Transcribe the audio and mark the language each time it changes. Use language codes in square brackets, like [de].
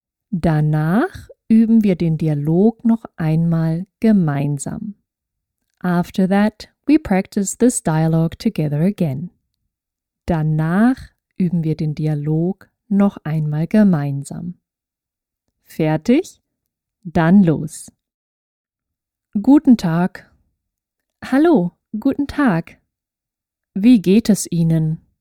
[de] Danach üben wir den Dialog noch einmal gemeinsam. [en] After that, we practice this dialogue together again. [de] Danach üben wir den Dialog noch einmal gemeinsam. Fertig? Dann los. Guten Tag. Hallo, guten Tag. Wie geht es Ihnen?